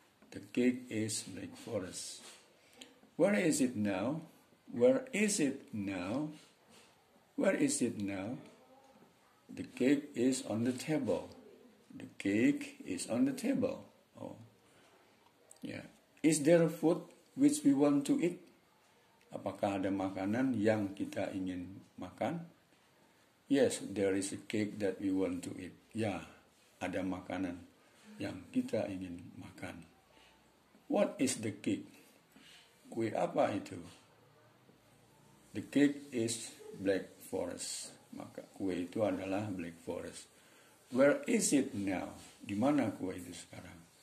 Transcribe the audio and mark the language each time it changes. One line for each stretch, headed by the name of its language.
English: The cake is Black Forest. Where is it now? Where is it now? Where is it now? The cake is on the table. The cake is on the table. Oh. Yeah. Is there food which we want to eat?
Indonesian: Apakah ada makanan yang kita ingin makan?
English: Yes, there is a cake that we want to eat.
Indonesian: Ya, ada makanan yang kita ingin makan.
English: What is the cake?
Indonesian: Kue apa itu?
English: The cake is Black Forest.
Indonesian: Maka kue itu adalah Black Forest.
English: Where is it now?
Indonesian: Di mana kue itu sekarang?